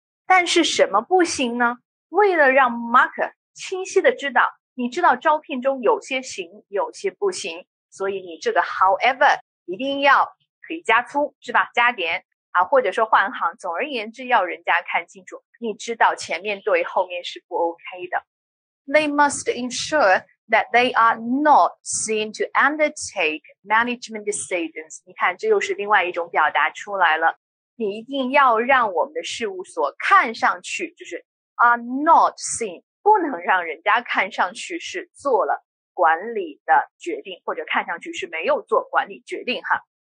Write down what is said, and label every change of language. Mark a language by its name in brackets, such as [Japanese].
[Chinese] 但是什么不行呢？为了让 Mark 清晰的知道，你知道招聘中有些行，有些不行，所以你这个 however 一定要可以加粗，是吧？加点。啊，或者说换行，总而言之要人家看清楚，你知道前面对后面是不 OK 的。 [English] They must ensure that they are not seen to undertake management decisions。 [Chinese] 你看这又是另外一种表达出来了，你一定要让我们的事务所看上去就是 [English] are not seen， [Chinese] 不能让人家看上去是做了管理的决定，或者看上去是没有做管理决定哈。